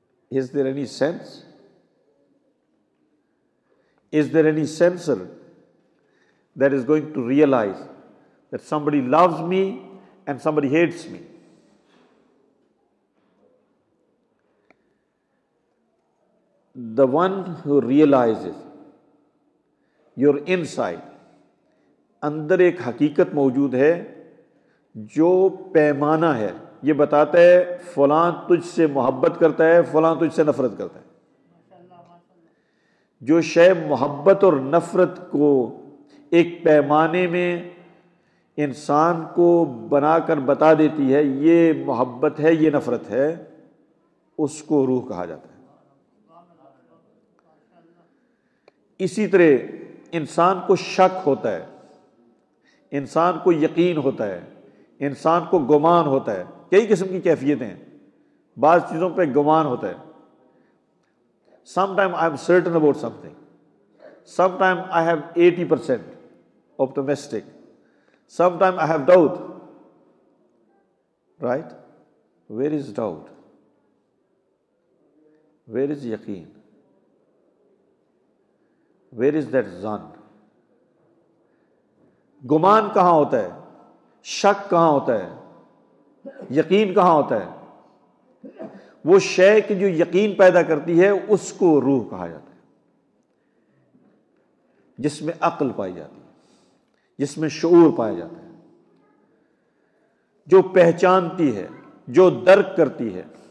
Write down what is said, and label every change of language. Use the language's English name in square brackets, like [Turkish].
[English] Is there any sense? Is there any sensor that is going to realize that somebody loves me and somebody hates me? The one who realizes your inside, [Urdu] اندر ایک حقیقت موجود ہے جو پیمانہ ہے, یہ بتاتا ہے فلاں تجھ سے محبت کرتا ہے, فلاں تجھ سے نفرت کرتا ہے. جو شے محبت اور نفرت کو ایک پیمانے میں انسان کو بنا کر بتا دیتی ہے, یہ محبت ہے یہ نفرت ہے, اس کو روح کہا جاتا ہے. اسی طرح انسان کو شک ہوتا ہے, انسان کو یقین ہوتا ہے, انسان کو گمان ہوتا ہے. کئی قسم کی کیفیتیں ہیں. بعض چیزوں پہ گمان ہوتا ہے. [English] Some time I am certain about something, some time I have 80% optimistic, some time I have doubt. Right, where is doubt, where is یقین, where is that زن. [Urdu] گمان کہاں ہوتا ہے, شک کہاں ہوتا ہے, یقین کہاں ہوتا ہے؟ وہ شے کہ جو یقین پیدا کرتی ہے اس کو روح کہا جاتا ہے. جس میں عقل پائی جاتی ہے، جس میں شعور پایا جاتا ہے، جو پہچانتی ہے، جو درک کرتی ہے.